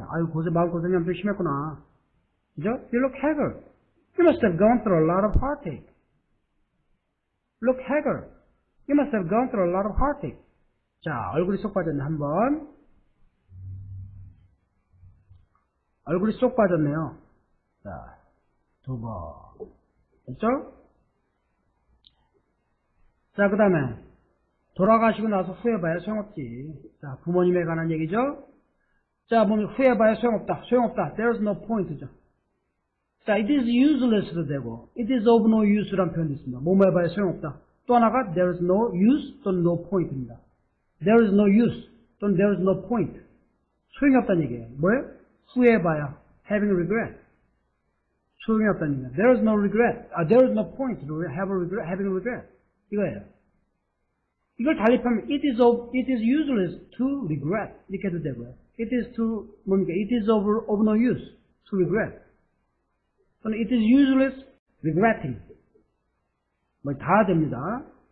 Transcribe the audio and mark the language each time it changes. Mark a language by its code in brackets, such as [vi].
[ko] 아유, 고생, 마음고생이 엄청 심했구나. [en] 그죠? You look haggard. You must have gone through a lot of heartache. Look haggard. You must have gone through a lot of heartache. [ko] 자, 얼굴이 쏙 빠졌네. 한 번. 얼굴이 쏙 빠졌네요. 자, 두 번. 됐죠? 자, 그 다음에. 돌아가시고 나서 후회해봐야 소용없지. 자, 부모님에 관한 얘기죠? 자, 부모님 후회해봐야 소용없다. 소용없다. [en] There's no point죠. 자, it is useless도 되고, it is of no use란 표현도 있습니다. [ko] 뭐뭐 해봐야 소용없다. 또 하나가, [en] there is no use [ko] 또는 [en] no point [ko] 입니다. [en] There is no use 또는 there is no point. [ko] 소용이 없다는 얘기예요. 뭐예요? 후회해봐야, [en] having regret. [ko] 소용이 없다는 얘기예요. [en] There is no regret, there is no point to have a regret, having regret. [ko] 이거예요. 이걸 달리 표현하면, [en] it is useless to regret. [ko] 이렇게 해도 되고요. [en] It is to, [ko] 뭡니까? [en] It is of no use to regret. It is useless regretting. [ko] 뭐, 다 됩니다.